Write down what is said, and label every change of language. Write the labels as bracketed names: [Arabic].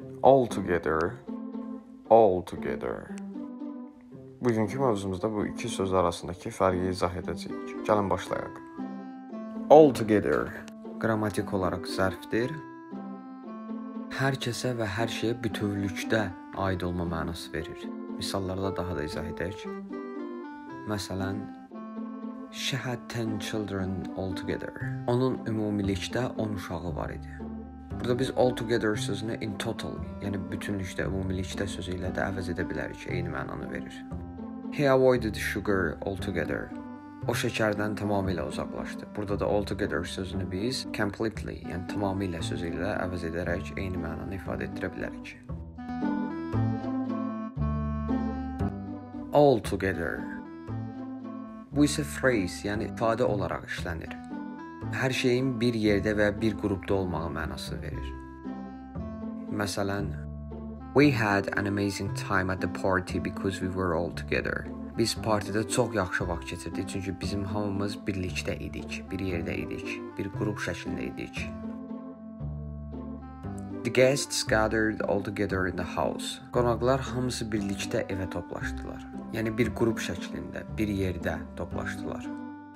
[English] All together, all together. [Azerbaijani] Bugünkü mövzumuzda bu iki söz arasındakı fərqi izah edəcəyik. Gəlin başlayaq. [English] All together. [Azerbaijani] Qramatik olaraq zərfdir. Hər kəsə və hər şeyə bütövlükdə aid olma mənası verir. Misallarda daha da izah edək. Məsələn, [English] She had 10 children altogether. [Azerbaijani] Onun ümumilikdə 10 uşağı var idi. Burada biz altogether sözünü [English] in total, [Azerbaijani] yəni bütünlükdə, ümumilikdə sözü ilə də əvəz edə bilərik, eyni mənanı verir. [English] He avoided sugar altogether. [Azerbaijani] O şəkərdən tamamilə uzaqlaşdı. Burada da altogether sözünü biz completely, yəni tamamilə sözü ilə əvəz edərək eyni mənanı ifadə etdirə bilərik. Altogether. Bu isə phrase, yəni ifadə olaraq işlənir. Hər şeyin bir yerdə və bir qrupda olmağı mənası verir. Məsələn, [English] We had an amazing time at the party because we were all together. [Azerbaijani] Biz partidə çox yaxşı vaxt keçirdik, çünki bizim hamımız birlikdə idik, bir yerdə idik, bir qrup şəklində idik. [English] The guests gathered all together in the house. [Azerbaijani] Qonaqlar hamısı birlikdə evə toplaşdılar. Yəni bir qrup şəklində, bir yerdə toplaşdılar.